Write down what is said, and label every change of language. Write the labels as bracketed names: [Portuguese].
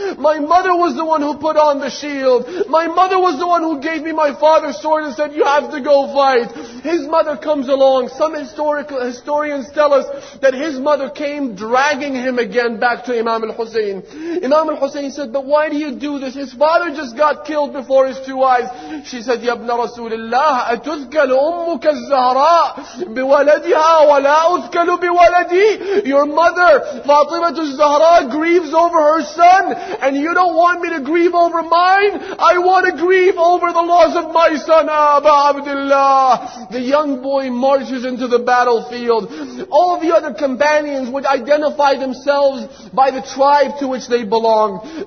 [English] My mother was the one who put on the shield. My mother was the one who gave me my father's sword and said, you have to go fight. His mother comes along. Some historians tell us that his mother came dragging him again back to Imam al-Hussein. Imam al-Hussein said, but why do you do this? His father just got killed before his two eyes. She said, [Arabic] Ya ibn Rasulullah, أتذكل أمك الزهراء بولدها ولا أذكل بولدي. [English] Your mother, Fatima al-Zahra, grieves over her son, and you don't want me to grieve over mine? I want to grieve over the loss of my son, Aba Abdullah. The young boy marches into the battlefield. All the other companions would identify themselves by the tribe to which they belonged.